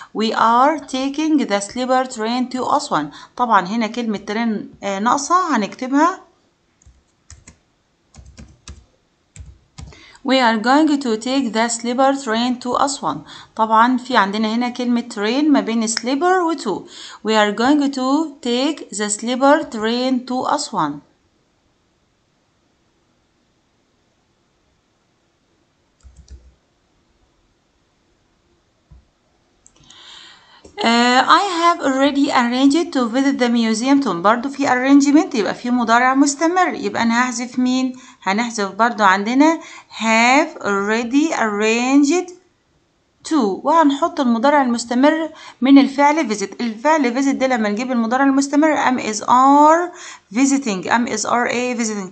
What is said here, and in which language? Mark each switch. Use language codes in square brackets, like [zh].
[en] We are taking the sleeper train to Aswan. [ar] طبعا هنا كلمة ترين ناقصة، هنكتبها [en] We are going to take the sleeper train to Aswan. [ar] طبعا في عندنا هنا كلمة train ما بين sleeper و to. [en] We are going to take the sleeper train to Aswan. I have already arranged to visit the museum too. [ar] برضو في arrangement يبقى في مضارع مستمر، يبقى أنا هحذف مين؟ هنحذف برضو عندنا [en] have already arranged to، [ar] وهنحط المضارع المستمر من الفعل visit. الفعل visit ده لما نجيب المضارع المستمر am is are visiting، am is are a visiting.